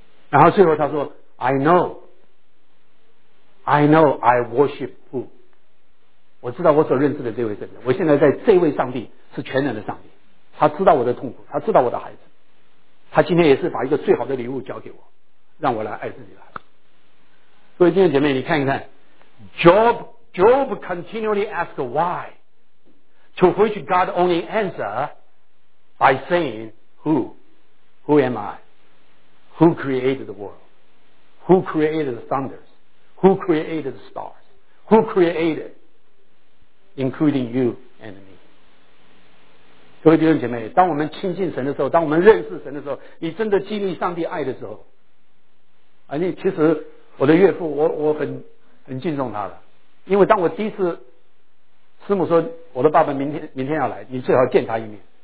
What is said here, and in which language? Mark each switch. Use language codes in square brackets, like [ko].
[zh] 然后最后他说 [en] I know I worship who， [zh] 我知道我所认识的这位神，我现在在这位上帝是全能的上帝，他知道我的痛苦，他知道我的孩子，他今天也是把一个最好的礼物交给我，让我来爱自己的孩子。各位弟兄姐妹，你看一看 [en] Job continually ask why, to which God only answer by saying who am I, who created the world, who created the thunders, who created the stars, who created including you and me。 [zh] 各位弟兄姐妹，当我们亲近神的时候，当我们认识神的时候，你真的经历上帝爱的时候，你其实我的岳父，我很敬重他的，因为当我第一次，师母说我的爸爸明天要来，你最好见他一面。